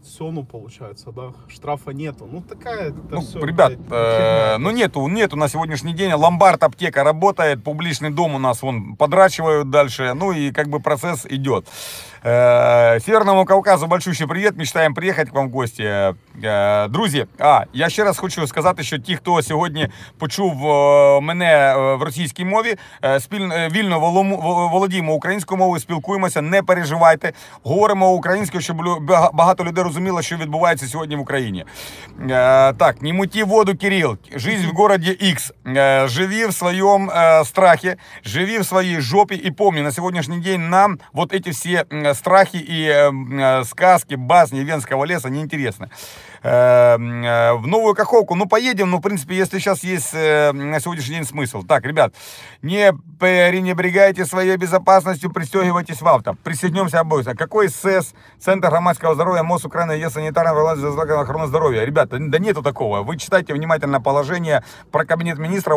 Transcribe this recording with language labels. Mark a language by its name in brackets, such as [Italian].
[Russian] Все, ну, получается, да, штрафа нету. Ну, такая, ну, все. Ребят, ну, нету на сегодняшний день. Ломбард, аптека работает, публичный дом у нас, вон, подрачивают дальше. Ну, и, как бы, процесс идет. Северному Кавказу большущий привет, мечтаем приехать к вам в гости. Друзья, я еще раз хочу сказать еще тех, кто сегодня [Ukrainian] почув мене в російській мові, вільно володимо українською мовою, спілкуємося, не переживайте, говоримо українською, щоб багато людей розуміло, що відбувається сьогодні в Україні. Так, не муті воду, Кирилл, жизнь в городі X, живі в своєму страхі, живі в своїй жопі і помні, на сьогоднішній день нам от ці всі страхи і сказки, басні Венського лісу не інтересні. [Russian] В Новую Каховку. Ну, поедем, ну, в принципе, если сейчас есть на сегодняшний день смысл. Так, ребят, не пренебрегайте своей безопасностью, пристегивайтесь в авто. Присоединемся обоюдно. Какой СЭС, Центр громадского здоровья, МОЗ Украины, Е-санитарная власть, Закона охраны здоровья? Ребята, да нету такого. Вы читайте внимательно положение про кабинет министра.